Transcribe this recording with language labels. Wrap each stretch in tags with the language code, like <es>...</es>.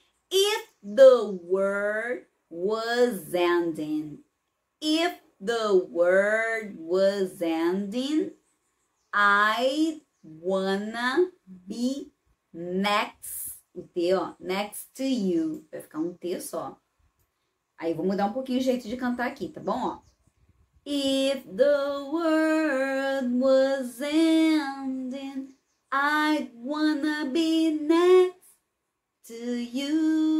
<en>If the word was ending, if the word was ending, I'd wanna be next,</en> <pt>o T, ó,</pt> <en>next to you,</en> <pt>vai ficar um T só. Aí vou mudar um pouquinho o jeito de cantar aqui, tá bom, ó?</pt> <en>If the word was ending, I'd wanna be next to you.</en>